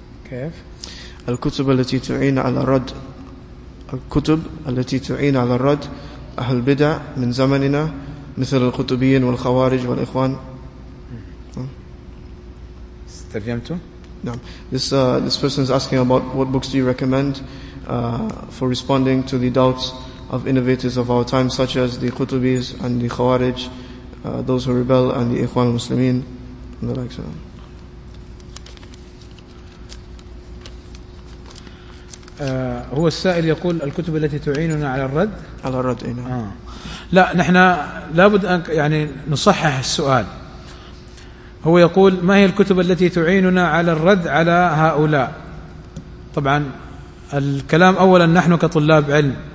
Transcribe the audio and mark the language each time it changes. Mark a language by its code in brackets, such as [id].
[ar] كيف الكتب التي تعين على الرد الكتب التي تعين على الرد أهل البدع من زمننا مثل القطبيين والخوارج والإخوان. استرجمته؟ نعم. [en] This person is asking about what books do you recommend for responding to the doubts of innovators of our time such as the Qutubis and the Khawarij, those who rebel and the Ikhwan al-Muslimin and the likes of them. [ar] هو السائل يقول الكتب التي تعيننا على الرد على الرد إينا. لا نحن لابد أن يعني نصحح السؤال هو يقول ما هي الكتب التي تعيننا على الرد على هؤلاء طبعا الكلام أولا نحن كطلاب علم